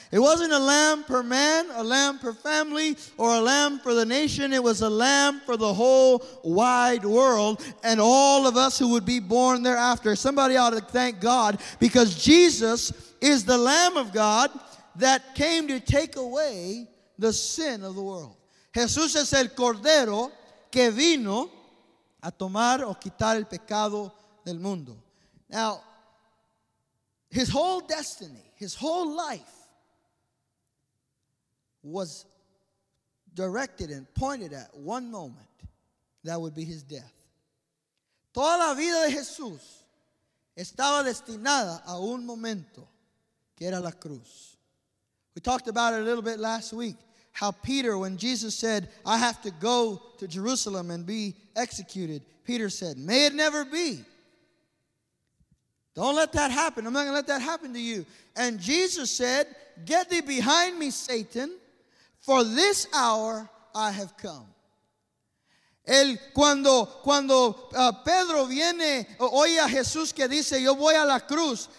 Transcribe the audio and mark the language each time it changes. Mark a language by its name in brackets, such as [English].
[English] It wasn't a lamb per man, a lamb per family, or a lamb for the nation. It was a lamb for the whole wide world and all of us who would be born thereafter. Somebody ought to thank God, because Jesus is the Lamb of God that came to take away the sin of the world. [Spanish] Jesús es el Cordero que vino a tomar o quitar el pecado del mundo. [English] Now, his whole destiny, his whole life was directed and pointed at one moment. That would be his death. [Spanish] Toda la vida de Jesús estaba destinada a un momento, que era la cruz. [English] We talked about it a little bit last week, how Peter, when Jesus said, I have to go to Jerusalem and be executed, Peter said, may it never be. Don't let that happen. I'm not going to let that happen to you. And Jesus said, get thee behind me, Satan, for this hour I have come. [Spanish] Cuando Pedro viene, oye a Jesús que dice, yo voy a la cruz.